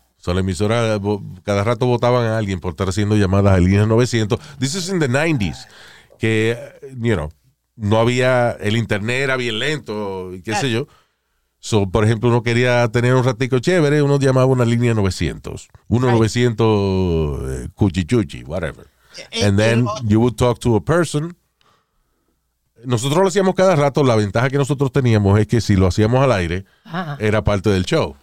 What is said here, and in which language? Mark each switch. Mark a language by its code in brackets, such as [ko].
[es] So la emisora, cada rato botaban a alguien por estar haciendo llamadas a líneas 900. [en] This is in the 90s, [es] que, [en] you know, [es] no había, el internet era bien lento, qué sé yo. So, por ejemplo, uno quería tener un ratico chévere, uno llamaba una línea 900. [en] 1-900 cuchichuchi, whatever. And then you would talk to a person. [es] Nosotros lo hacíamos cada rato. La ventaja que nosotros teníamos es que si lo hacíamos al aire, era parte del show.